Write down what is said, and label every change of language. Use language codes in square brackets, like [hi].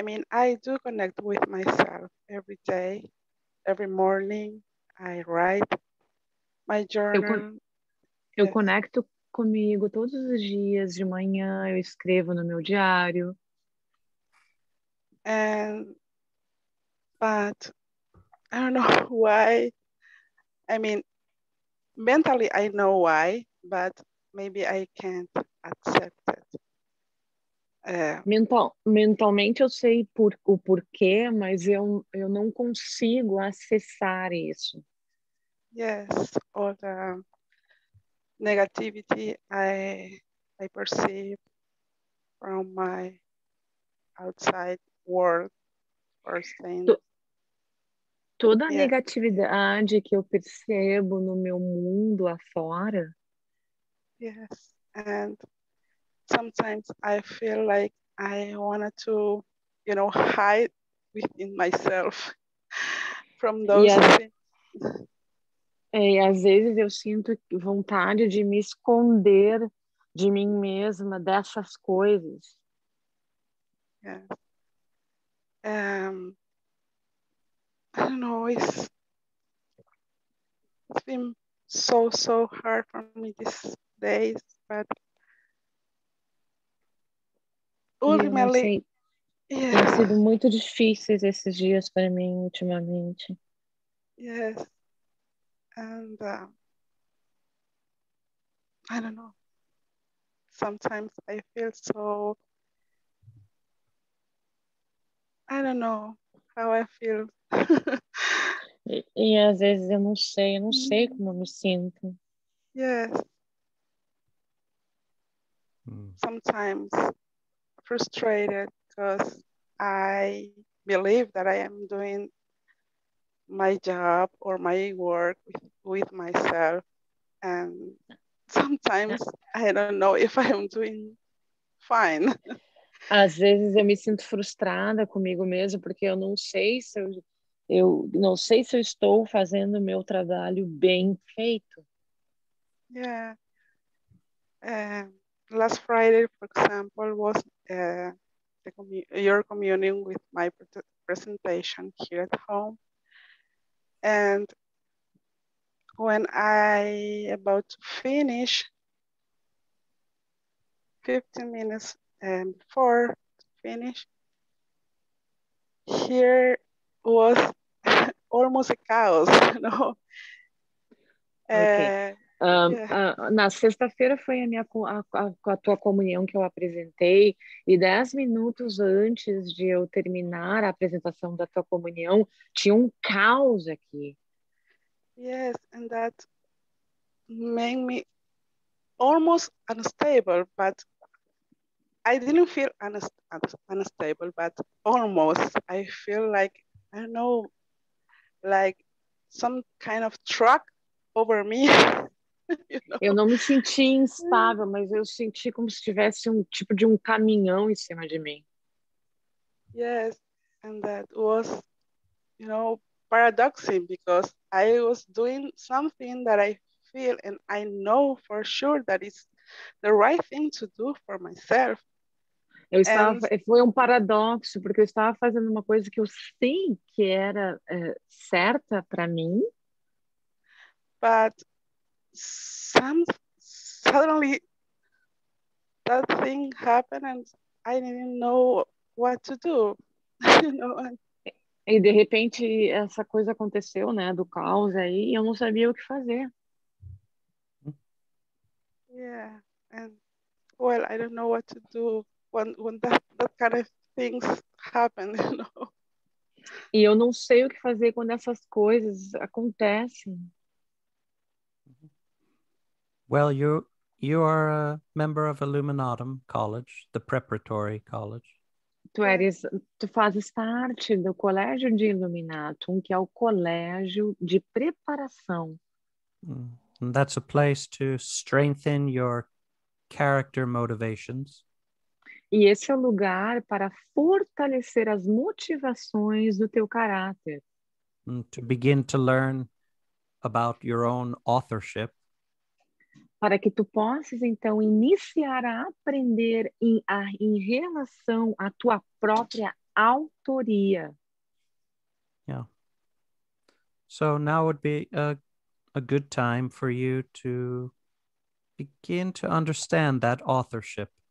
[en] I do connect with myself every day, every morning. I write my journal. [pt] Eu conecto comigo todos os dias de manhã. Eu escrevo no meu diário. [en] But I don't know why. I mean, mentally I know why, but maybe I can't accept it. [pt] Mentalmente eu sei o porquê, mas eu não consigo acessar isso. [en] Yes, all the negativity I perceive from my outside world or things. [pt] Toda a negatividade que eu percebo no meu mundo afora. [en] Yes, and sometimes I feel like I wanted to, you know, hide within myself from those things. [pt] Às vezes eu sinto vontade de me esconder de mim mesma dessas coisas. [en] I don't know, it's been so, so hard for me these days, but ultimately, yeah. [pt] Tem sido muito difíceis esses dias para mim ultimamente. [en] Yes. And I don't know. Sometimes I feel so, I don't know how I feel. [pt] E às vezes eu não sei como eu me sinto. [en] Yes. Sometimes frustrated because I believe that I am doing my job or my work with myself, and sometimes I don't know if I am doing fine. [pt] Às vezes eu me sinto frustrada comigo mesma porque eu não sei se eu não sei se eu estou fazendo o meu trabalho bem feito. [en] Yeah. Last Friday, for example, was your communion with my presentation here at home. And when I about to finish, 15 minutes before to finish, here was almost a chaos, no? [pt] Na sexta-feira foi a tua comunhão que eu apresentei, e 10 minutos antes de eu terminar a apresentação da tua comunhão, tinha um caos aqui. [en] Yes, and that made me almost unstable, but I didn't feel unstable, but almost. I feel like, I don't know, like some kind of truck over me. [pt] Eu não me senti instável, mas eu senti como se tivesse um tipo de um caminhão em cima de mim. [en] Yes, and that was, you know, paradoxing, because I was doing something that I feel and I know for sure that it's the right thing to do for myself. [pt] Foi um paradoxo, porque eu estava fazendo uma coisa que eu sei que era certa para mim. [en] But suddenly that thing happened and I didn't know what to do. [pt] E de repente essa coisa aconteceu, né, do caos aí, e eu não sabia o que fazer. [en] Yeah, and well, I don't know what to do when that kind of things happen, you know. [pt] E eu não sei o que fazer quando essas coisas acontecem. [en] Well, you are a member of Illuminatum College, the preparatory college. [pt] Tu fazes parte do colégio de Illuminatum, que é o colégio de preparação. [en] And that's a place to strengthen your character motivations. [pt] E esse é o lugar para fortalecer as motivações do teu caráter. [en] And to begin to learn about your own authorship. [pt] Para que tu possas, então, iniciar a aprender em relação à tua própria autoria. [en] Yeah. So now would be a good time for you to begin to understand that authorship.